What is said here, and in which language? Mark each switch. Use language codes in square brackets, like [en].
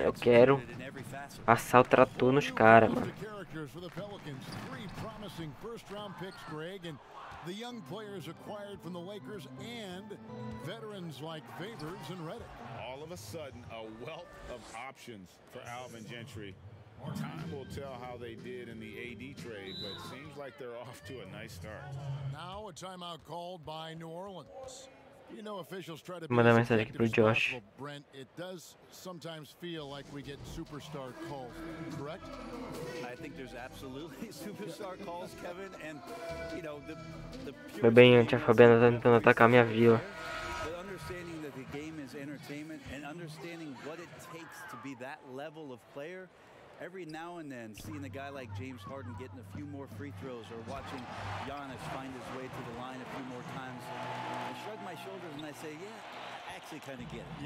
[pt] Eu quero passar o trator nos caras, mano. [en] The characters for the Pelicans, three promising first-round picks, Greg, and the young players acquired from the Lakers and veterans like Favors and Redick. All of a sudden, a wealth of options for Alvin Gentry. Time will tell how they did in the AD trade, but seems like they're off to a nice start. Now a timeout called by New Orleans. You know, officials try to [pt] mandar mensagem aqui pro Josh. [en] Brent, it does sometimes feel like we get superstar calls, correct? I think there's absolutely superstar calls, Kevin, and you know, the [pt] pure bem, a Tia Fabiana tá tentando atacar a minha vila. [en] But understanding that the game is entertainment and understanding what it takes to be that level of player. Every now and then, seeing a guy like James Harden getting a few more free throws or watching Giannis find his way to the line a few more times, I shrug my shoulders and I say, yeah, I actually kind of get it.